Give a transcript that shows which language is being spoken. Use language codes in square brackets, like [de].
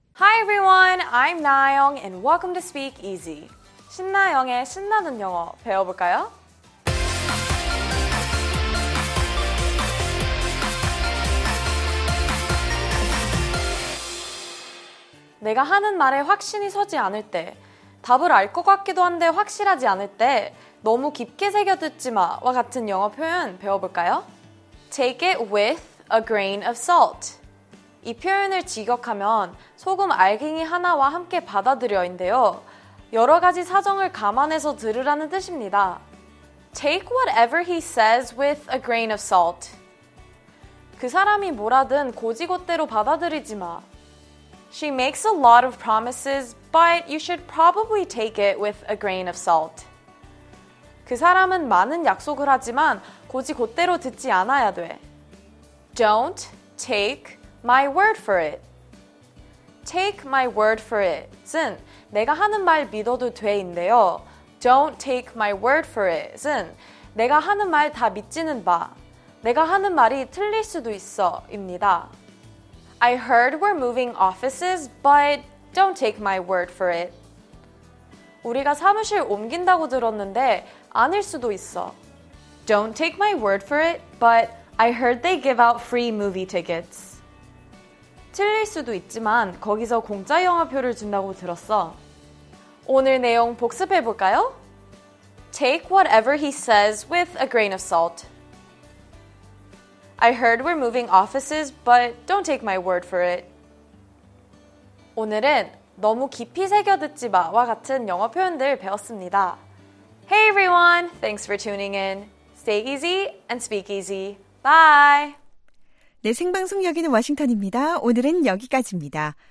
[en] Hi everyone, I'm Nayoung and welcome to Speak Easy. [ko] 신나영의 신나는 영어 배워볼까요? 내가 하는 말에 확신이 서지 않을 때, 답을 알 것 같기도 한데 확실하지 않을 때, 너무 깊게 새겨듣지 마와 같은 영어 표현 배워볼까요? [en] Take it with a grain of salt. [ko] 이 표현을 직역하면 소금 알갱이 하나와 함께 받아들여인데요. 여러 가지 사정을 감안해서 들으라는 뜻입니다. [en] Take whatever he says with a grain of salt. [ko] 그 사람이 뭐라든 고지고대로 받아들이지 마. [en] She makes a lot of promises, but you should probably take it with a grain of salt. [ko] 그 사람은 많은 약속을 하지만 굳이 그대로 듣지 않아야 돼. [en] Don't take my word for it. Take my word for it은 [ko] 내가 하는 말 믿어도 돼인데요. [en] Don't take my word for it은 [ko] 내가 하는 말 다 믿지는 마. 내가 하는 말이 틀릴 수도 있어입니다. [en] I heard we're moving offices, but don't take my word for it. [ko] 우리가 사무실 옮긴다고 들었는데 아닐 수도 있어. [en] Don't take my word for it, but I heard they give out free movie tickets. [ko] 틀릴 수도 있지만 거기서 공짜 영화표를 준다고 들었어. 오늘 내용 복습해 볼까요? [en] Take whatever he says with a grain of salt. I heard we're moving offices, but don't take my word for it. [ko] 오늘은 너무 깊이 새겨듣지 마와 같은 영어 표현들 배웠습니다. [en] Hey everyone, thanks for tuning in. Stay easy and speak easy. Bye! [ko] 네, 생방송 여기는 워싱턴입니다. 오늘은 여기까지입니다.